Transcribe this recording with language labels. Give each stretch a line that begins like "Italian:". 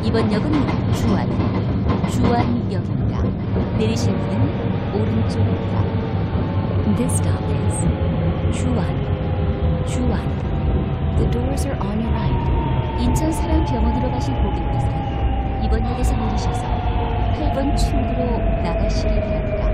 Korean: 역은 주안, 주안역입니다. 내리실 문은 오른쪽입니다.
English: This stop is 주안, 주안. The doors are on your right.
Korean: 인천사랑병원으로 가실 고객께서는 이번 역에서 내리셔서 8번 출구로 나가시길 바랍니다.